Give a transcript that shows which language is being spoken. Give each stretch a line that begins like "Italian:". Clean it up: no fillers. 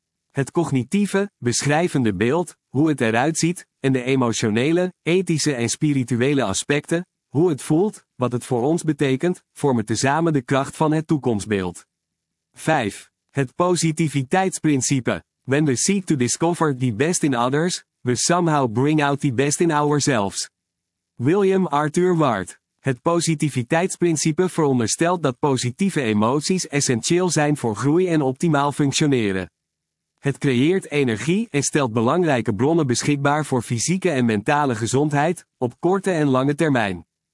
Dutch: Het cognitieve, beschrijvende beeld, hoe het eruit ziet, en de emotionele, ethische en spirituele aspecten, hoe het voelt, wat het voor ons betekent, vormen tezamen de kracht van het toekomstbeeld. 5. Het positiviteitsprincipe.
English: When we seek to discover the best in others, we somehow bring out the best in ourselves. William Arthur Ward.
Dutch: Het positiviteitsprincipe veronderstelt dat positieve emoties essentieel zijn voor groei en optimaal functioneren. Het creëert energie en stelt belangrijke bronnen beschikbaar voor fysieke en mentale gezondheid, op korte en lange termijn.